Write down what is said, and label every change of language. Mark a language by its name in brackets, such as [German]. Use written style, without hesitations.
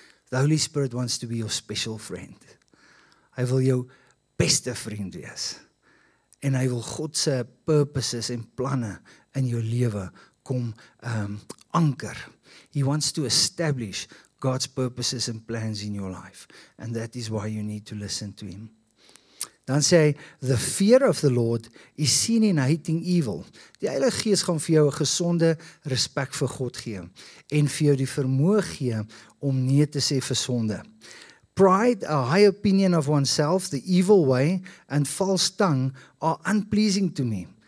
[English] The Holy Spirit wants to be your special friend. [Afrikaans] Hy wil jou beste vriend wees. En hy wil God se purposes en planne in jou lewe kom anker. [English] He wants to establish God's purposes and plans in your life. And that is why you need to listen to him. [Afrikaans] Dan sê hy, [English] the fear of the Lord is seen in hating evil. [Afrikaans] Die Heilige Gees gaan vir jou 'n gesonde respek vir God gee. En vir jou die vermoë gee om nee te sê vir sonde. [English] Pride, a high opinion of oneself, the evil way, and false tongue are unpleasing to me.